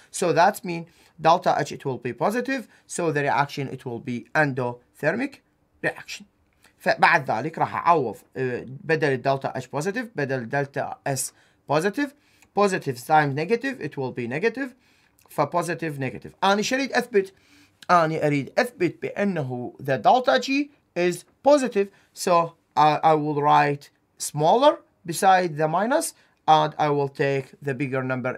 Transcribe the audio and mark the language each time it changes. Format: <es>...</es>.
<en>So that means delta H it will be positive. So the reaction it will be endothermic reaction.</en> <ar>فبعد ذلك راح أعوض بدل delta H positive بدل delta S positive.</ar> <en>Positive times negative it will be negative. فpositive negative.</en> <ar>أنا شريد أثبت. أنا أريد أثبت بأنه</ar> <en>the delta G is positive. So I will write smaller beside the minus and I will take the bigger number.</en>